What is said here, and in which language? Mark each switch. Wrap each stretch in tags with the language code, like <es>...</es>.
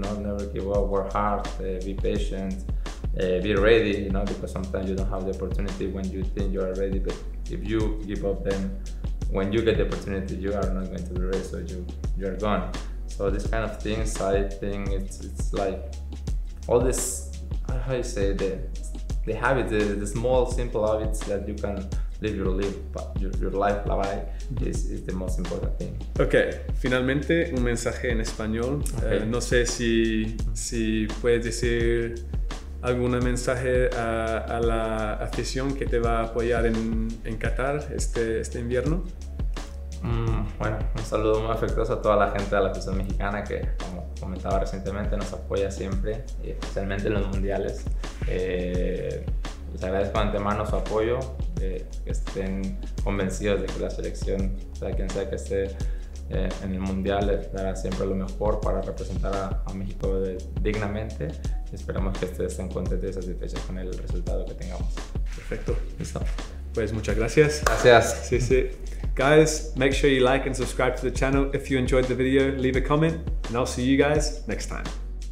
<en>You know, never give up, work hard, be patient. Be ready, you know, because sometimes you don't have the opportunity when you think you are ready, but if you give up, then when you get the opportunity, you are not going to be ready, so you are gone. So this kind of things, I think it's like all this, how you say, the habits, the small simple habits that you can live your life by, is the most important thing.</en> <es>Okay, finalmente un mensaje en español. Okay. No sé si puedes decir algún mensaje a la afición que te va a apoyar en Qatar este invierno. Bueno, un saludo muy afectuoso a toda la gente de la afición mexicana que, como comentaba recientemente, nos apoya siempre, y especialmente en los mundiales. Les agradezco de antemano su apoyo, que estén convencidos de que la selección, sea quien sea que esté en el mundial, dará siempre lo mejor para representar a México dignamente. Esperamos que ustedes estén contentos y satisfechos con el resultado que tengamos. Perfecto. Listo. Pues muchas gracias. Gracias. Sí, sí.</es> <en>Guys, make sure you like and subscribe to the channel. If you enjoyed the video, leave a comment, and I'll see you guys next time.</en>